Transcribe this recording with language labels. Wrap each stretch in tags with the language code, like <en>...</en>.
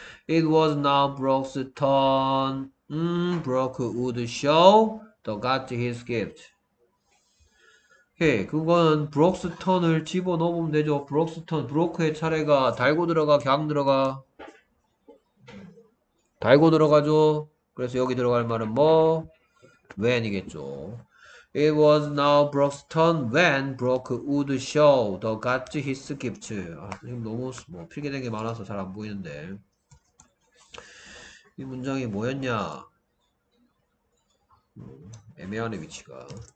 <en>It was now Brock's turn. Brock would show the gods his gift. 오케이. 그거는 Brock's turn을</en> <ko>집어넣으면 되죠.</ko> <en>Brock's turn.</en> <ko>Brock의 차례가 달고 들어가, 걍 들어가. 달고 들어가죠. 그래서 여기 들어갈 말은 뭐? When이겠죠.</ko> <en>It was now Brock's turn when Brock would show the gods his gift.</en> <ko>아, 너무 뭐 필기된 게 많아서 잘안 보이는데. 이 문장이 뭐였냐? 애매하네, 위치가.</ko>